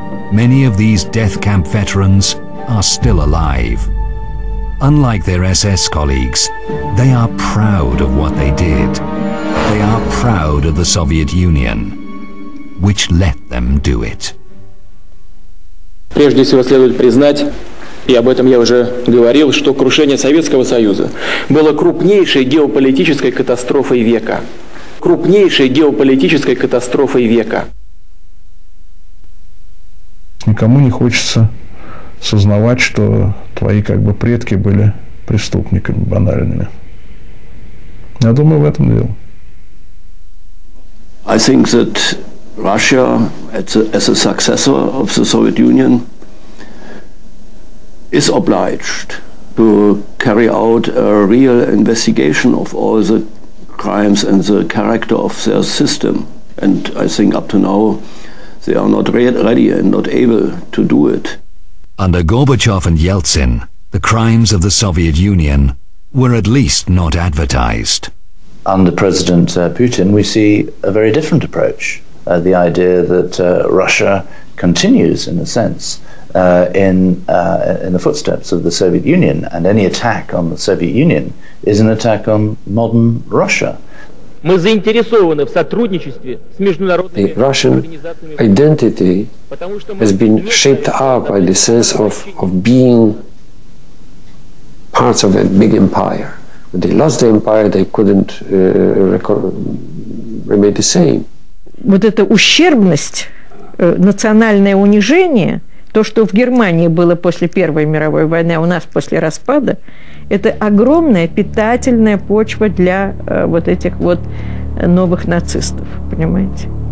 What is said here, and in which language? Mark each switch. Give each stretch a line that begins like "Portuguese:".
English: Many of these death camp veterans are still alive. Unlike their SS colleagues, they are proud of what they did. They are proud of the Soviet Union, which let them do it.
Russian: Прежде всего следует признать, и об этом я уже говорил, что крушение Советского Союза было крупнейшей геополитической катастрофой века. Крупнейшей геополитической катастрофой века. Никому не хочется сознавать, что твои как бы предки были преступниками банальными. Я думаю, в этом дело.
English: I think that Russia, as a successor of the Soviet Union, is obliged to carry out a real investigation of all the crimes and the character of their system. And I think up to now, they are not ready and not able to do it. Under Gorbachev and Yeltsin, the crimes of the Soviet Union were at least not advertised. Under President Putin, we see a very different approach. The idea that Russia continues, in a sense, in the footsteps of the Soviet Union, and any attack on the Soviet Union is an attack on modern Russia.
Russian: Мы заинтересованы в сотрудничестве с международными организациями.
English: Identity has been shaped up by the sense of being part of a big empire. When they lost the empire, they couldn't remain the same.
Russian: Вот эта ущербность, национальное унижение, то, что в Германии было после Первой мировой войны, а у нас после распада, это огромная питательная почва для вот этих вот новых нацистов, понимаете?